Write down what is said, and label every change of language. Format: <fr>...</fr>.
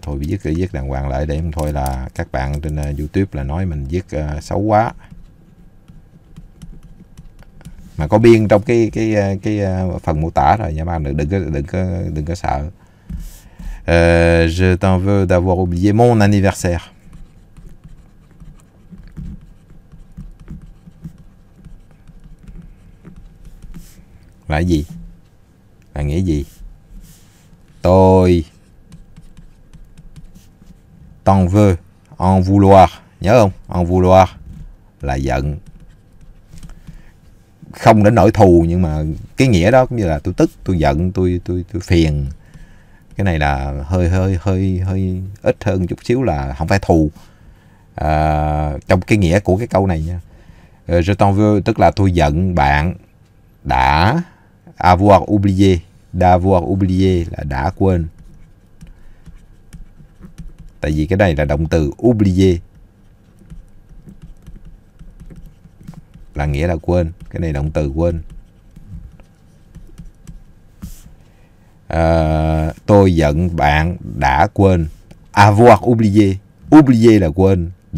<vi>Thôi viết đàng hoàng lại để thôi là các bạn trên YouTube là nói mình viết xấu quá. Mà có biên trong cái phần mô tả rồi nha bạn, đừng có sợ.</vi> <fr>Je t'en veux d'avoir oublié mon anniversaire.</fr> <vi>Là gì? Là nghĩa gì? Tôi</vi> <fr>t'en veux, en vouloir,</fr> <vi>nhớ không?</vi> <fr>En vouloir</fr> <vi>là giận. Không đến nỗi thù nhưng mà cái nghĩa đó cũng như là tôi tức, tôi giận, tôi phiền. Cái này là hơi ít hơn chút xíu là không phải thù. Trong cái nghĩa của cái câu này nha.</vi> <fr>Je t'en veux</fr> <vi>tức là tôi giận bạn đã</vi> <fr>avoir oublié. D'avoir oublié</fr> <vi>là đã quên. Tại vì cái này là động từ oublié. Là nghĩa là quên. Cái này động từ quên. Tôi giận bạn đã quên.</vi> <fr>Avoir oublié. Oublié</fr> <vi>là quên.</vi>